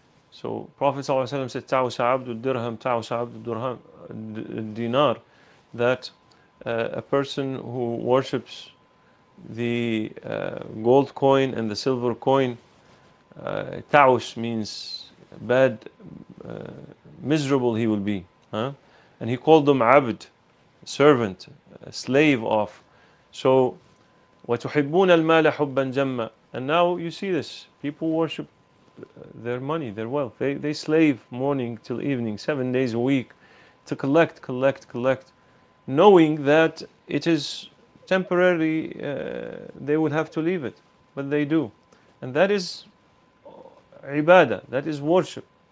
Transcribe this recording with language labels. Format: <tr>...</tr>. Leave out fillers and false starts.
<en>So Prophet ﷺ said,</en> <ar>تَعُسَ عَبْدُ الدِّرْهَمْ تَعُسَ عَبْدُ الدِّنَارِ,</ar> <en>that a person who worships the gold coin and the silver coin, تَعُس means bad, miserable he will be. And he called them عَبْد, servant, a slave of. So,</en> <ar>وَتُحِبُّونَ الْمَالَ حُبًّا جَمَّا.</ar> <en>And now you see this. People worship their money, their wealth. They slave morning till evening, 7 days a week, to collect, knowing that it is temporary, they will have to leave it. But they do. And that is ibadah, that is worship.</en>